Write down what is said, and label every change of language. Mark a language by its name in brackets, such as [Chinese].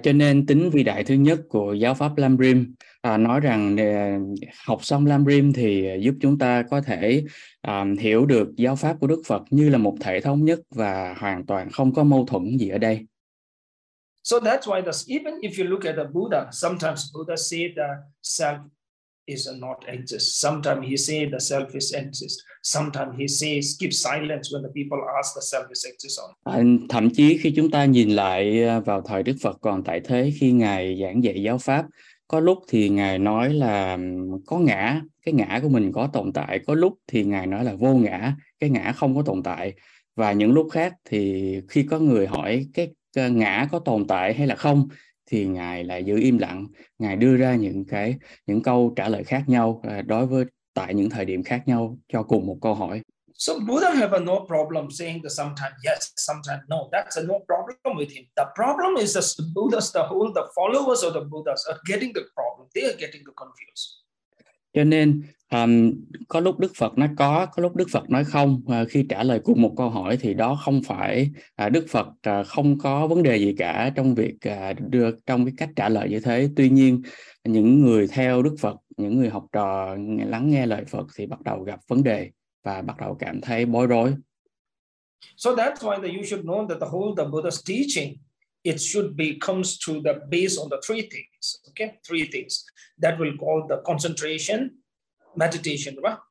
[Vietnamese] Cho nên tính vĩ đại thứ nhất của giáo pháp Lam Rim nói rằng học xong Lam Rim thì giúp chúng ta có thể hiểu được giáo pháp của Đức Phật như là một thể thống nhất và hoàn toàn không có mâu thuẫn gì ở đây. [English] So that's why even if you look at the Buddha, sometimes Buddha say the self is not exist. Sometimes he say the self is exist. Sometimes he says keep silence when the people ask the self is exist or not. [Vietnamese] Thậm chí khi chúng ta nhìn lại vào thời Đức Phật còn tại thế, khi ngài giảng dạy giáo pháp, có lúc thì ngài nói là có ngã, cái ngã của mình có tồn tại, có lúc thì ngài nói là vô ngã, cái ngã không có tồn tại. Và những lúc khác thì khi có người hỏi cái ngã có tồn tại hay là không, thì ngài lại giữ im lặng, ngài đưa ra những câu trả lời khác nhau đối với tại những thời điểm khác nhau cho cùng một câu hỏi. [English] So Buddha have a no problem saying that sometimes yes, sometimes no. That's a no problem with him. The problem is the Buddhas, the whole the followers of the Buddhas are getting the problem. They are getting the confused. [Vietnamese] Cho nên có lúc Đức Phật nói có lúc Đức Phật nói không. Khi trả lời cùng một câu hỏi thì đó không phải Đức Phật không có vấn đề gì cả trong việc được trong cái cách trả lời như thế. Tuy nhiên những người theo Đức Phật, những người học trò lắng nghe lời Phật thì bắt đầu gặp vấn đề và bắt đầu cảm thấy bối rối. [English] So that's why that you should know that the whole the Buddha's teaching it should be comes to the base on the three things. Okay, three things that will call the concentration, meditation, right?